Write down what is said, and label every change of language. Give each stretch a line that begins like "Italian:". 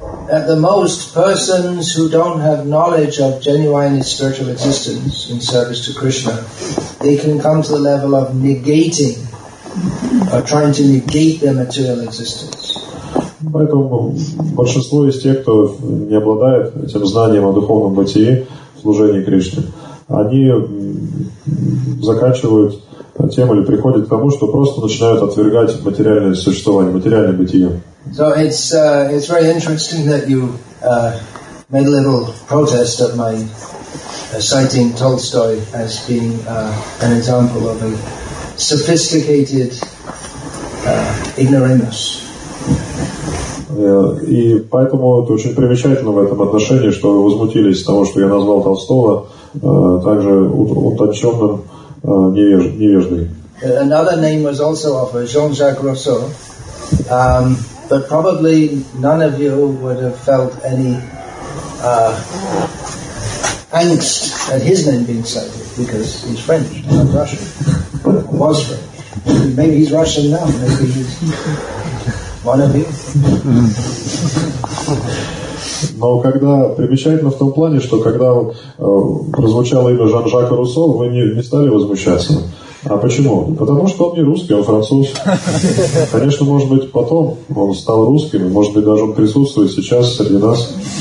English: At the most, persons who don't have knowledge of genuine spiritual existence in service to Krishna, they can come to the level of negating or trying to negate their material existence.
Russian: Поэтому большинство из тех, кто не обладает этим знанием о духовном бытии, служении Кришне, они заканчивают тем или приходят к тому, что просто начинают отвергать материальное существование, материальное бытие.
English: So it's very interesting that you made a little protest at my citing Tolstoy as being an example of a sophisticated ignoramus.
Russian: И поэтому это очень примечательно в этом отношении, что вы возмутились с того, что я назвал Толстого также утонченным невеждой.
English: Another name was also offered, Jean-Jacques Rousseau. But probably none of you would have felt any angst at his name being cited, because he's French, not Russian. Was French. Maybe he's Russian now, maybe he's...
Russian: Но когда примечательно в том плане, что когда прозвучало имя Жан-Жака Руссо, вы не стали возмущаться. А почему? Потому что он не русский, он француз. Конечно, может быть, потом он стал русским, и, может быть, даже он присутствует сейчас среди нас.